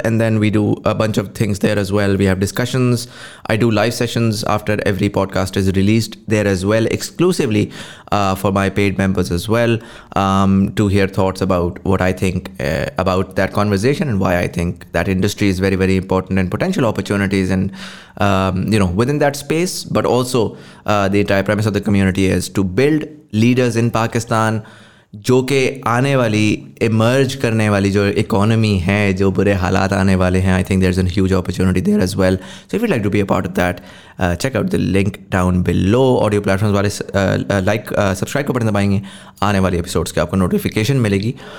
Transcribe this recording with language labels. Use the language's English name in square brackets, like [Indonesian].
[English] And then we do a bunch of things there as well. We have discussions, I do live sessions after every podcast is released there as well, exclusively for my paid members as well, to hear thoughts about what I think about that conversation and why I think that industry is very very important and potential opportunities and you know with in that space. But also the entire premise of the community is to build leaders in Pakistan [Urdu] جو کہ آنے والی emerge کرنے والی جو economy ہے, جو برے حالات آنے والے ہیں, [English] I think there is a huge opportunity there as well. So if you like to be a part of that, check out the link down below. [Urdu] Audio platforms والے لائک سبسکرائب کو button دبائیں گے, آنے والی اپیسوڈس کی آپ کو notification ملے گی.